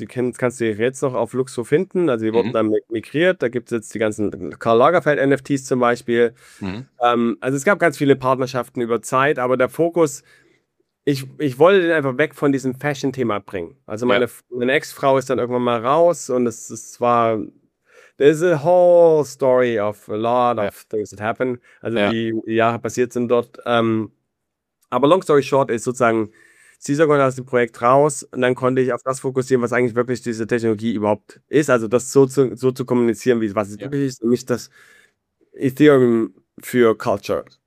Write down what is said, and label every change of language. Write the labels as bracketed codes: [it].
[de] Die kannst du jetzt noch auf Luxor finden, also die wurden dann migriert. Da gibt es jetzt die ganzen Karl Lagerfeld-NFTs zum Beispiel. Also es gab ganz viele Partnerschaften über Zeit, aber der Fokus, ich wollte den einfach weg von diesem Fashion-Thema bringen. Also meine Ex-Frau ist dann irgendwann mal raus und es war... [en] There's a whole story of a lot of things that happen. [de] Also die Jahre passiert sind dort. Aber [en] long story short [de] ist sozusagen, sie sogar aus dem Projekt raus und dann konnte ich auf das fokussieren, was eigentlich wirklich diese Technologie überhaupt ist. Also das so zu kommunizieren, wie was es wirklich ist. Nämlich das Ethereum für Culture.